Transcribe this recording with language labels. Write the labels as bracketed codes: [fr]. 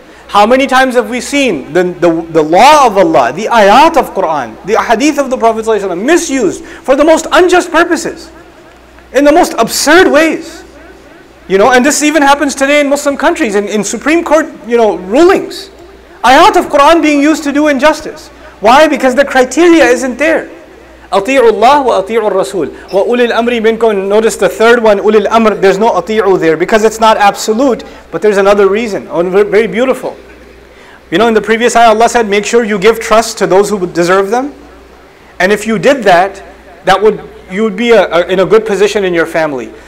[en] How many times have we seen the law of Allah, the ayat of Quran, the hadith of the Prophet ﷺ misused for the most unjust purposes, in the most absurd ways? You know, and this even happens today in Muslim countries, in Supreme Court, rulings. Ayat of Quran being used to do injustice. Why? Because the criteria isn't there. [ar] أطيعوا الله وأطيعوا الرسول وأولي الأمر منكم. [en] Notice the third one, أولي الأمر. There's no أطيعوا there because it's not absolute. But there's another reason, very beautiful. You know, in the previous ayah, Allah said, make sure you give trust to those who deserve them. And if you did that, you'd be in a good position in your family.